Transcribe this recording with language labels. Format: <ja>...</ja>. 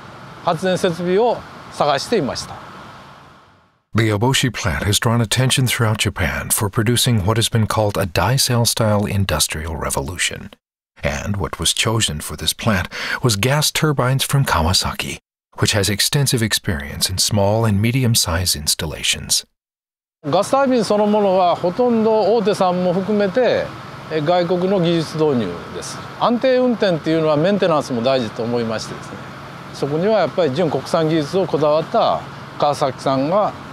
<ja>我々は阪神大震災を経験してます。電力の安定供給は工場の最重要課題です。当時石炭ボイラーとガス炊きボイラーの蒸気タービンを運転してました。でも購入電力が多く発電効率のいい発電設備を探していました。</ja> <en>The Eboshi plant has drawn attention throughout Japan for producing what has been called a Daisel-style industrial revolution. And what was chosen for this plant was gas turbines from Kawasaki, which has extensive experience in small and medium-sized installations.</en> <ja>Gas turbine そのものはほとんど大手さんも含めて外国の技術導入です。安定運転っていうのはメンテナンスも大事と思いましてですね。そこにはやっぱり純国産技術をこだわった川崎さんが</ja>